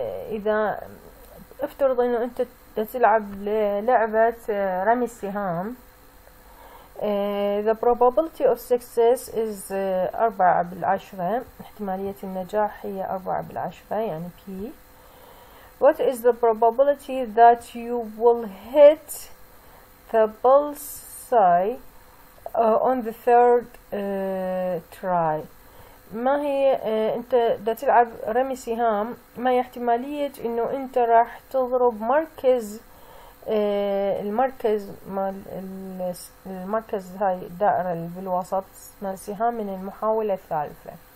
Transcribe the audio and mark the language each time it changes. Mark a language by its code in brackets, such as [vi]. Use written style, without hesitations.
[ar] إذا افترض إنه أنت تلعب لعبة رمي السهام، [en] the probability of success is 4 [ar] بالعشرة، احتمالية النجاح هي 4 بالعشرة يعني P. [en] What is the probability that you will hit the bullseye on the third try؟ [ar] ما هي انت دا تلعب رمي سهام، ما هي احتمالية انه انت راح تضرب مركز المركز مال المركز هاي الدائرة اللي بالوسط مال سهام من المحاولة الثالثة؟